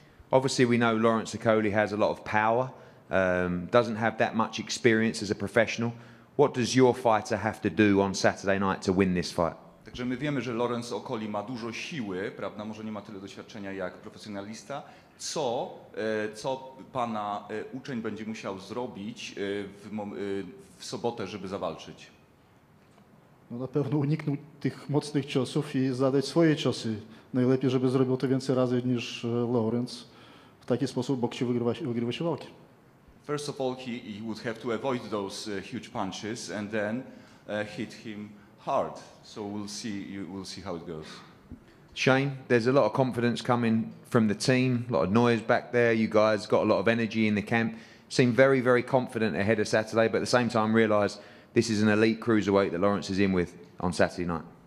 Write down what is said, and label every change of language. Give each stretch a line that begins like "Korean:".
English: Obviously, we know Lawrence Okolie has a lot of power, doesn't have that much experience as a professional. What does your fighter have to do on Saturday night to win this fight?
Polish: Także my wiemy, że Lawrence Okolie ma dużo siły, prawda? Może nie ma tyle doświadczenia jak profesjonalista. Co pana uczeń będzie musiał zrobić w sobotę, żeby zawalczyć? No na pewno uniknął tych mocnych ciosów i zadać swoje ciosy. Najlepiej, żeby zrobił to więcej razy niż Lawrence. W taki sposób boksie wygrywa się walki.
English: First of all, he would have to avoid those huge punches and then hit him hard. So we'll see how it goes. Shane, there's a lot of confidence coming from the team, a lot of noise back there. You guys got a lot of energy in the camp. Seem very, very confident ahead of Saturday, but at the same time realise this is an elite cruiserweight that Lawrence is in with on Saturday night.